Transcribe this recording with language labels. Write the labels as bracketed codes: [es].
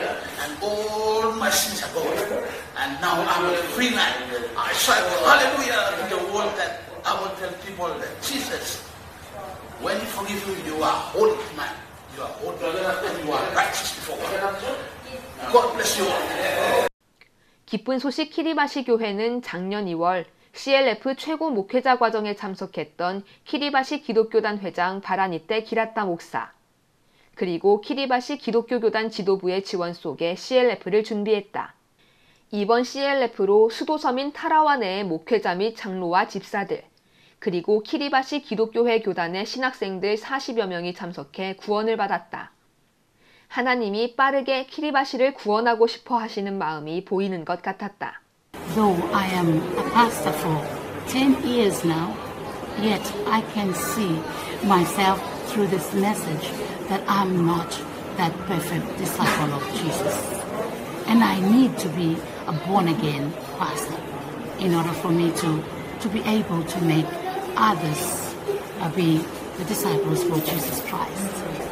[en] And all my sins are gone. And now I'm a free man. I shout hallelujah to the world that I will tell people that Jesus, when He forgives you, you are a holy man. You are holy and you are righteous before God. God bless you all. [ko] 기쁜 소식 키리바시 교회는 작년 2월 CLF 최고 목회자 과정에 참석했던 키리바시 기독교단 회장 바라니떼 기라타 목사, 그리고 키리바시 기독교교단 지도부의 지원 속에 CLF를 준비했다. 이번 CLF로 수도섬인 타라와 내의 목회자 및 장로와 집사들, 그리고 키리바시 기독교회 교단의 신학생들 40여 명이 참석해 구원을 받았다. 하나님이 빠르게 키리바시를 구원하고 싶어 하시는 마음이 보이는 것 같았다. [en] Though I am a pastor for 10 years now, yet I can see myself through this message that I'm not that perfect disciple of Jesus. And I need to be a born-again pastor in order for me to be able to make others be the disciples for Jesus Christ.